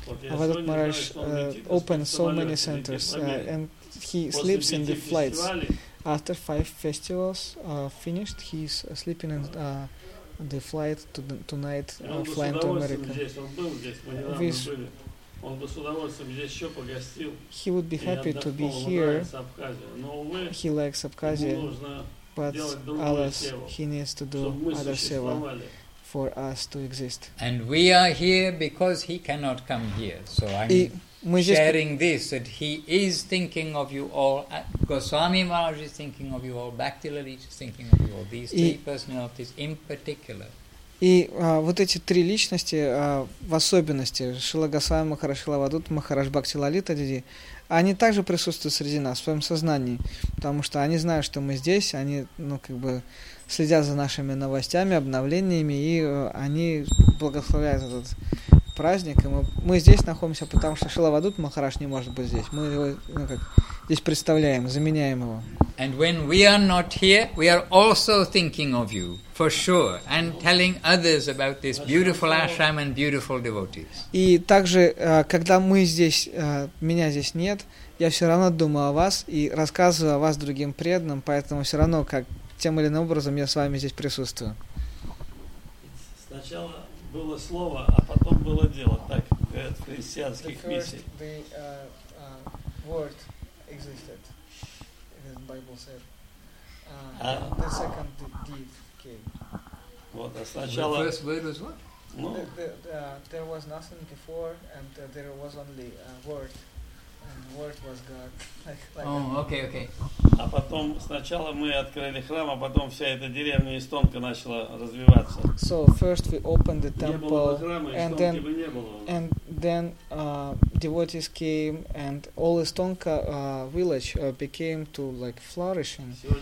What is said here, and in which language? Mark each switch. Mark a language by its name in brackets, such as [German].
[Russian] Вот этот [English] Махарадж opened so many centers and he sleeps in the flights. After five festivals finished, he's sleeping in the flight tonight, flying to America. [Russian] Он бы с удовольствием здесь еще погостил. [English] He would be happy to be here. He likes [Russian] Абхазию. [English] But alas, he needs to do other seva for us to exist. And we are here because he cannot come here. So I'm [Russian] мы здесь [English] sharing this, that he is thinking of you all, Goswami Maharaj is thinking of you all, Bhakti Lalit is thinking of you all, these three personalities in particular. [Russian] И вот эти три личности, в особенности, Шрила Госвами Махарадж, Шрила Авадут Махарадж, Бхакти Лалита Диди, они также присутствуют среди нас в своем сознании, потому что они знают, что мы здесь, они, ну, как бы, следят за нашими новостями, обновлениями, и они благословляют этот праздник. И мы здесь находимся, потому что Шрила Авадут Махарадж не может быть здесь. Мы его, ну, как, здесь представляем, заменяем его. [English] And when we are not here, we are also thinking of you, for sure, and telling others about this beautiful ashram and beautiful devotees. [Russian] И также, когда мы здесь, меня здесь нет, я все равно думаю о вас и рассказываю о вас другим преданным, поэтому все равно, как тем или иным образом, я с вами здесь присутствую. Сначала было слово, а потом было дело, так, от христианских миссий. [English] The word existed. The second deed came. [Russian] Вот, а сначала... [English] The first word was what? No. There was nothing before, and there was only a word, and word was God. Okay. [Russian] А потом сначала мы открыли храм, а потом вся эта деревня Истонка начала развиваться. [English] So first we opened the temple, [Russian] не было бы храма, [English] and [Russian] Истонки [English] then, [Russian] бы не было. [English] And then devotees came, and all Istonka village became to like flourishing.